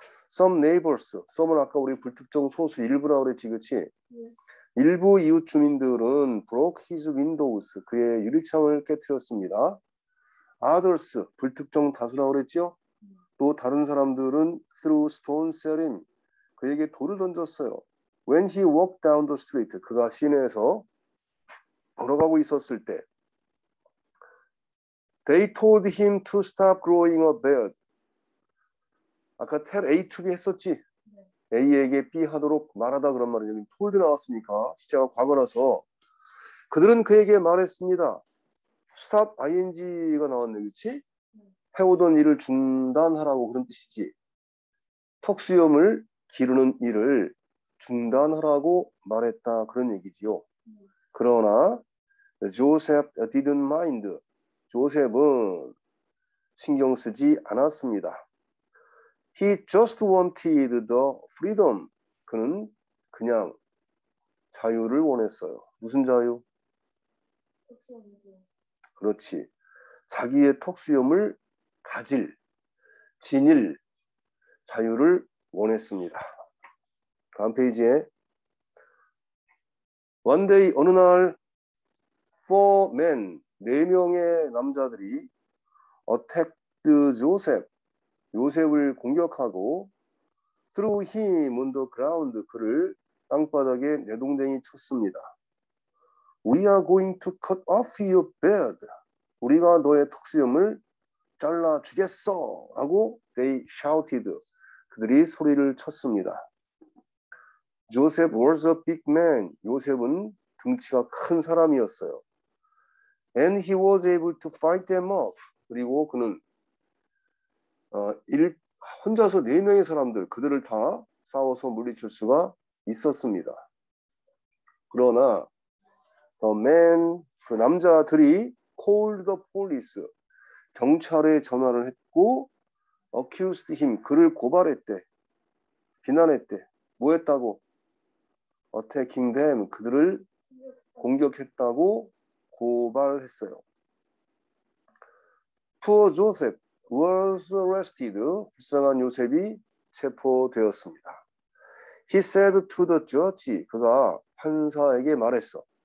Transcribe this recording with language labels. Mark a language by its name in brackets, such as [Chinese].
[English] Some neighbors, [Korean] some은 아까 우리 불특정 소수 일부라고 그랬지, 그치? 네. 일부 이웃 주민들은 [English] broke his windows, [Korean] 그의 유리창을 깨뜨렸습니다. Others, 불특정 다수라고 그랬지요? 또 다른 사람들은 [English] threw stones at him, [Korean] 그에게 돌을 던졌어요. [English] When he walked down the street, [Korean] 그가 시내에서 걸어가고 있었을 때, [English] They told him to stop growing a beard. [Korean] 아까 [English] tell A to B [Korean] 했었지? A에게 B 하도록 말하다 그런 말이냐면 told 나왔으니까 시제가 과거라서 그들은 그에게 말했습니다. Stop ing가 나왔네, 그렇지? 해오던 일을 중단하라고 그런 뜻이지. 턱수염을 기르는 일을 중단하라고 말했다 그런 얘기지요. 그러나 [English] Joseph didn't mind. [Korean] 조셉은 신경 쓰지 않았습니다. [English] He just wanted the freedom. [Korean] 그는 그냥 자유를 원했어요. 무슨 자유? 그렇지. 자기의 턱수염을 가질, 지닐 자유를 원했습니다. 다음 페이지에. [English] One day, [Korean] 어느 날, [English] four men, [Korean] 네 명의 남자들이 [English] attacked Joseph. [Korean] 요셉을 공격하고 [English] threw him on the ground, [Korean] 그를 땅바닥에 내동댕이 쳤습니다. [English] We are going to cut off your beard. [Korean] 우리가 너의 턱수염을 잘라주겠어. [English] 라고 they shouted. [Korean] 그들이 소리를 쳤습니다. [English] Joseph was a big man. [Korean] 요셉은 덩치가 큰 사람이었어요. [English] And he was able to fight them off. [Korean] 그리고 그는 혼자서 네 명의 사람들, 그들을 다 싸워서 물리칠 수가 있었습니다. 그러나 그 남자들이 [English] called the police, [Korean] 경찰에 전화를 했고 [English] accused him, [Korean] 그를 고발했대, 비난했대. 뭐 했다고? [English] Attacking them, [Korean] 그들을 공격했다고 고발했어요. [English] Poor Joseph was arrested. [Korean] 불쌍한 요셉이 체포되었습니다. [English] He said to the judge, [Korean] 그가 판사에게 말했어.